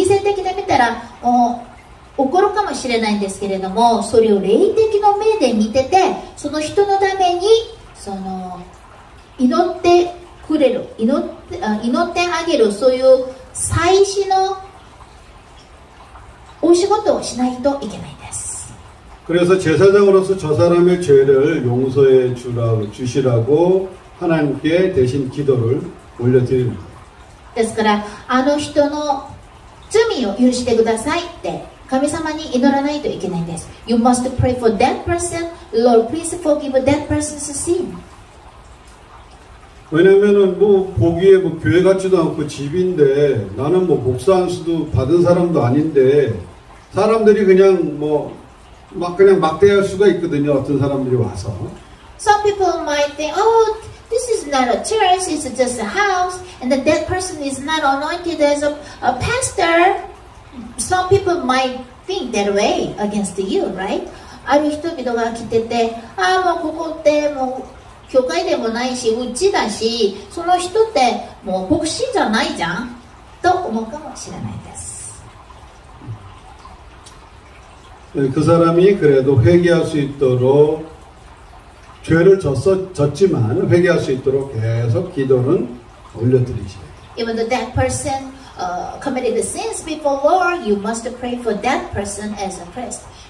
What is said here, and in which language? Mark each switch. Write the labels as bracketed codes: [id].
[ja] それをその皆さんの理性的で見たら、お 起こるかもしれないんですけれども、それを霊的の目で見てて、その人のために、その祈ってくれる、祈ってあげる、そういう祭司のお仕事をしないといけないです。 [ko] 그래서 제사장으로서 저 사람의 죄를 용서해 주시라고 하나님께 대신 기도를 올려드립니다. [ja] ですから、あの人の罪を許してくださいって 神様に 祈らないといけないんです。 [en] You must pray for that person. Lord, please forgive that person's sin. [ko] 왜냐면은 뭐 보기에 뭐 교회 같지도 않고 집인데 나는 뭐 목사 안 수도 받은 사람도 아닌데 사람들이 그냥 뭐 막 그냥 막대할 수가 있거든요. 어떤 사람들이 와서. [en] Some people might think, oh, this is not a church. It's just a house. And that person is not anointed as a pastor. Some people might think that way against you, right? [ja] ある人々が来てて、ああ、ここってもう教会でもないし、うちだし、その人ってもう牧師じゃないじゃん、と思うかもしれないです。 [ko] 그 사람이 그래도 회개할 수 있도록 죄를 졌지만 회개할 수 있도록 계속 기도는 올려드리죠. [en] Even though that person committed the sins before Lord, you must pray for that person as a priest.